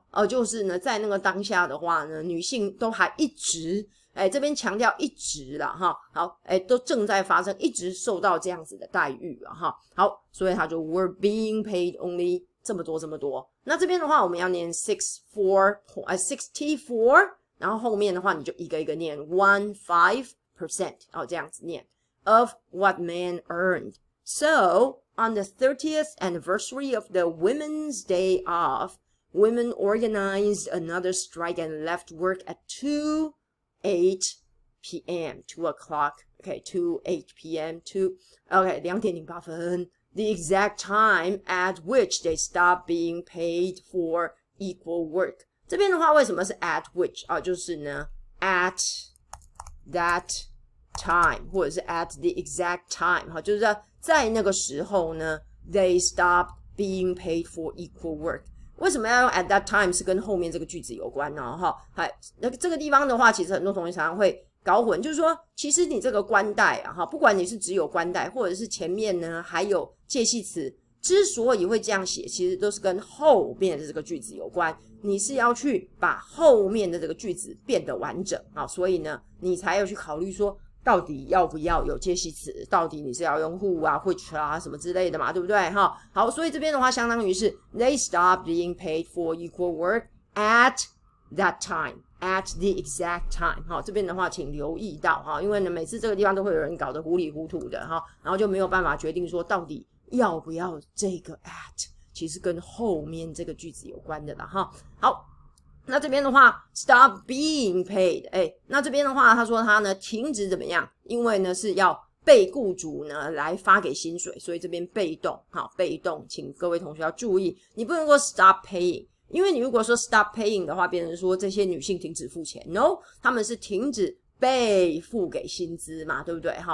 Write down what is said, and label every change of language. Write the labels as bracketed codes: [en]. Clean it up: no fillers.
[zh] 好、就是呢在那个当下的话呢，女性都还一直这边强调一直啦、啊、好都正在发生，一直受到这样子的待遇啊。好，所以他就 [en] were being paid only [zh] 这么多这么多。那这边的话我们要念 64, 然后后面的话你就一个一个念 15%, 哦，这样子念。 [en] Of what men earned. So, on the 30th anniversary of the Women's Day off, women organized another strike and left work at 2:08 p.m. 2 o'clock. Okay, 2:08 p.m. 2:08. The exact time at which they stopped being paid for equal work. [zh] 这边的话为什么是 at which? 啊，就是呢 at that. [en] time, [zh] 或者是 [en] at the exact time, [zh] 就是在那个时候呢 [en] they stopped being paid for equal work. [zh] 为什么要用 [en] at that time, [zh] 是跟后面这个句子有关呢、啊、这个地方的话其实很多同学常常会搞混，就是说其实你这个冠带、啊、不管你是只有冠带或者是前面呢还有介系词，之所以会这样写其实都是跟后面的这个句子有关，你是要去把后面的这个句子变得完整、啊、所以呢你才要去考虑说到底要不要有介系词，到底你是要用 who 啊 which 啊什么之类的嘛，对不对？好，所以这边的话相当于是 [en] they stopped being paid for equal work at that time, at the exact time。 [zh] 好，这边的话请留意到，因为呢每次这个地方都会有人搞得糊里糊涂的，然后就没有办法决定说到底要不要这个 at, 其实跟后面这个句子有关的啦。好，那这边的话 [en] stop being paid, [zh] 那这边的话他说他呢停止怎么样，因为呢是要被雇主呢来发给薪水，所以这边被动，好，被动请各位同学要注意，你不能说 [en] stop paying, [zh] 因为你如果说 stop paying 的话变成说这些女性停止付钱， no, 他们是停止被付给薪资嘛，对不对？